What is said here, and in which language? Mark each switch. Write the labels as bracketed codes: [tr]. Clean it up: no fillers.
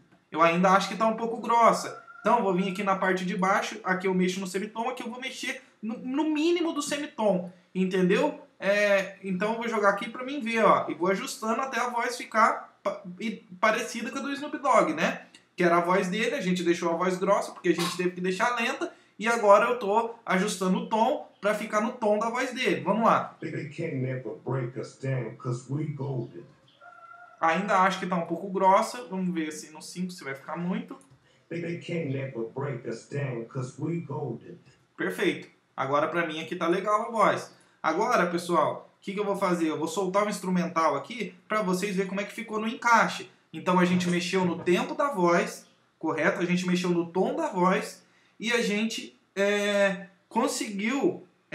[pt] eu ainda acho que tá um pouco grossa. Então, eu vou vir aqui na parte de baixo, aqui eu mexo no semitom, aqui eu vou mexer no mínimo do semitom, entendeu? Então, eu vou jogar aqui pra mim ver, ó, e vou ajustando até a voz ficar parecida com a do Snoop Dogg, né? Que era a voz dele, a gente deixou a voz grossa, porque a gente teve que deixar lenta, e agora eu tô ajustando o tom pra ficar no tom da voz dele. Vamos lá. [en] Baby can't never break us down, 'cause we golden. [pt] Ainda acho que tá um pouco grossa. Vamos ver assim no 5 se vai ficar muito. [en] Baby can't never break us down, 'cause we golden. [pt] Perfeito. Agora pra mim aqui tá legal a voz. Agora, pessoal, o que, que eu vou fazer? Eu vou soltar o instrumental aqui pra vocês verem como é que ficou no encaixe. Então a gente mexeu no tempo da voz, correto? A gente mexeu no tom da voz e a gente conseguiu...